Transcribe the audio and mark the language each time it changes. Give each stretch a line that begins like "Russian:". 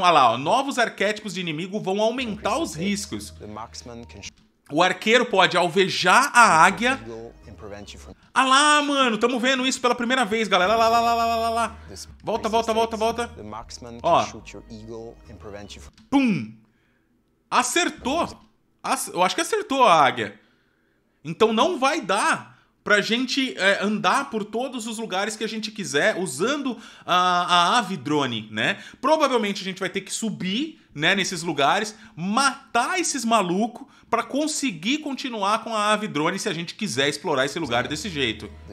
Portuguese: Olha lá, ó, novos arquétipos de inimigo vão aumentar os riscos. O arqueiro pode alvejar a águia
English: prevent you from...
Portuguese: Ah lá, mano, tamo vendo isso pela primeira vez, galera. Lá, lá, lá, lá, lá, lá. Volta, volta, volta, volta.
English: The marksman can shoot your eagle and prevent you from...
Portuguese: Pum! Acertou. Eu acho que acertou a águia. Então não vai dar pra gente andar por todos os lugares que a gente quiser usando a ave drone, né? Provavelmente a gente vai ter que subir, né, nesses lugares, matar esses malucos pra conseguir continuar com a ave drone se a gente quiser explorar esse lugar desse jeito.